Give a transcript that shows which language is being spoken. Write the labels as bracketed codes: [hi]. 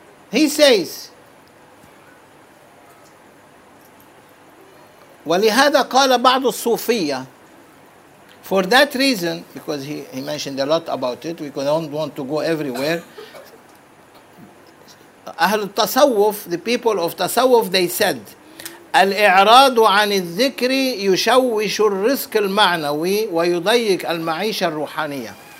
[en] He says, [ar] ولهذا قال بعض الصوفية. [en] For that reason, because he mentioned a lot about it, we don't want to go everywhere. [ar] أهل التصوف, [en] the people of [ar] تصوف, [en] they said, [ar] الإعراض عن الذكر يشوش الرزق المعنوي ويضيق المعيشة الروحانية.